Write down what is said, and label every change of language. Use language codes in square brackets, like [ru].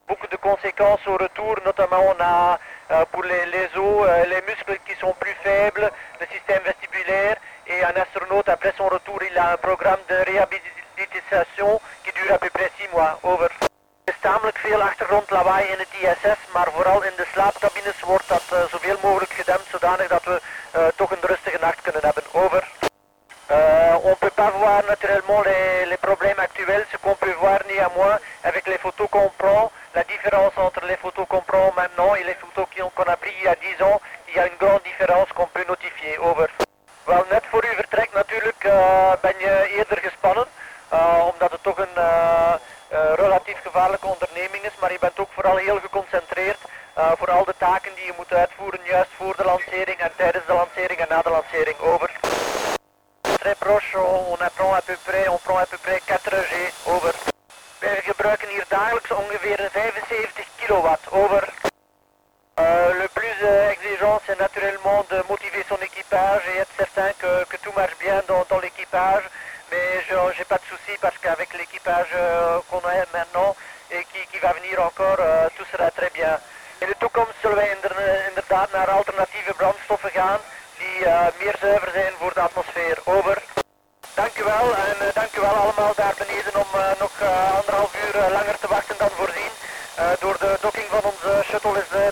[fr] de conséquences au retour. Notamment, on a pour les os, les muscles qui sont plus faibles, le système vestibulaire. Et un astronaute, après son retour, il a un programme de réhabilitation qui dure à peu près 6 mois. [en] Over. [nl] Tamelijk veel achtergrondlawaai in het ISS, maar vooral in de slaapcabines wordt dat zoveel mogelijk gedempt, zodanig dat we toch een rustige nacht kunnen hebben. [en] Over. [fr] On peut pas voir naturellement les problèmes actuels, ce qu'on peut voir néanmoins avec les photos qu'on prend, la différence entre les photos qu'on prend maintenant et les photos qu'on a prises il y a 10 ans, il y a une grande différence qu'on peut notifier. [en] Over. [nl] Wel, net voor uw vertrek natuurlijk ben je eerder gespannen, omdat het toch een relatief gevaarlijke onderneming is, maar je bent ook vooral heel geconcentreerd voor al de taken die je moet uitvoeren, juist voor de lancering en tijdens de lancering en na de lancering. [en] Over. [fr] Très proche, on prend à peu près 4G. [en] Over. [nl] Wij gebruiken hier dagelijks ongeveer 75 kilowatt. [en] Over. [fr] Le plus exigeant, c'est naturellement de motiver son équipage et être certain que tout marche bien dans l'équipage. Mais je n'ai pas de soucis parce qu'avec l'équipage qu'on a maintenant et qui va venir encore, tout sera très bien. [nl] In de toekomst zullen wij inderdaad naar alternatieve brandstoffen gaan die meer zuiver zijn voor de atmosfeer. Over. Dank u wel en dank u wel allemaal daar beneden om nog anderhalf uur langer te wachten dan voorzien. Door de docking van onze shuttle is